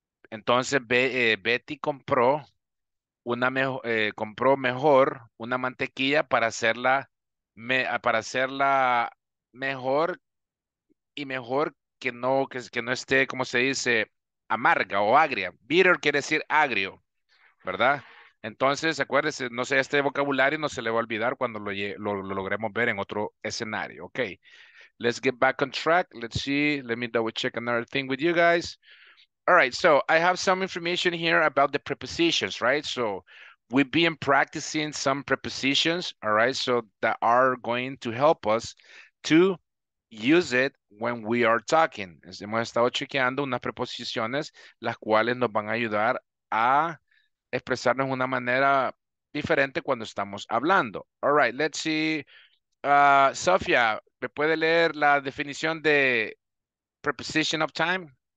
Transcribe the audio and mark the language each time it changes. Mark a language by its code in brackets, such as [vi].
[es] Entonces, Betty compró mejor una mantequilla para hacerla mejor y mejor que no esté, como se dice, amarga o agria. Bitter quiere decir agrio, ¿verdad? Entonces, acuérdese, no sé, este vocabulario no se le va a olvidar cuando lo logremos ver en otro escenario. [en] Okay, let's get back on track. Let's see, let me double check another thing with you guys. All right, so I have some information here about the prepositions, right? So we've been practicing some prepositions, all right, so that are going to help us to use it when we are talking. [es] Hemos estado chequeando unas preposiciones las cuales nos van a ayudar a expresarnos de una manera diferente cuando estamos hablando. [en] All right, let's see. Sofía, [es] ¿me puede leer la definición de [en] preposition of time?